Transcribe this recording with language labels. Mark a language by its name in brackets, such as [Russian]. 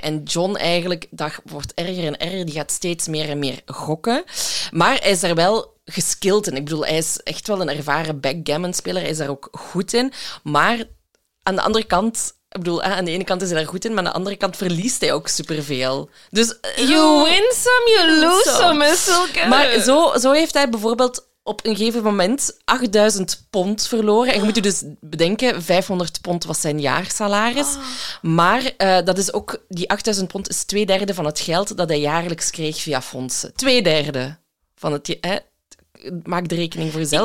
[Dutch] En John eigenlijk, dat wordt erger en erger. Die gaat steeds meer en meer gokken. Maar hij is er wel geskild in. Ik bedoel, hij is echt wel een ervaren backgammon-speler. Hij is daar ook goed in. Maar aan de andere kant, ik bedoel, aan de ene kant is hij daar goed in, maar aan de andere kant verliest hij ook superveel. Dus [English] you win some, you lose some. [Dutch] Maar zo heeft hij bijvoorbeeld op een gegeven moment £8,000 verloren. En je moet je dus bedenken, £500 was zijn jaarsalaris. Maar dat is ook, die £8,000 is 2/3 van het geld dat hij jaarlijks kreeg via fondsen. 2/3 van het... Maak de rekening voor jezelf.